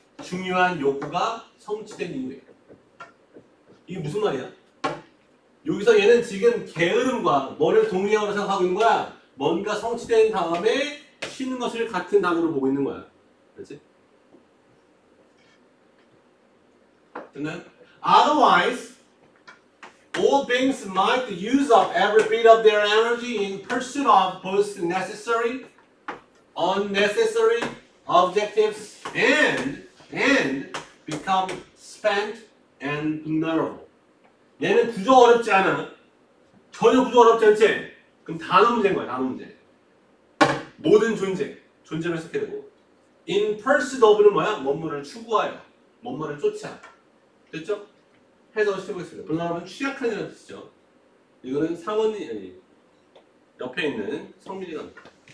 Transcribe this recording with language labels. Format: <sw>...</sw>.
<ko>중요한 욕구가 성취된 이후에. 이게 무슨 말이야? 여기서 얘는 지금 게으름과 뭐를 동의하고 생각하고 있는 거야? 뭔가 성취된 다음에 쉬는 것을 같은 단어로 보고 있는 거야. 그렇지? 됐나요?</ko> <en>Otherwise, all beings might use up every bit of their energy in pursuit of both necessary, unnecessary objectives and become spent and vulnerable.</en> <ko>얘는 구조 어렵지 않아. 전혀 구조 어렵지 않지? 그럼 단어 문제인 거야, 단어 문제. 모든 존재, 존재를 해석해야 되고.</ko> <en>In pursuit of</en> <ko>는 뭐야? 뭔가를 추구하여, 뭔가를 쫓아. 됐죠? 해석을 시켜보겠습니다. 불나라면 취약한 이라는 뜻이죠. 이거는 사원이 아니 옆에 있는 성민이랍니다.</ko>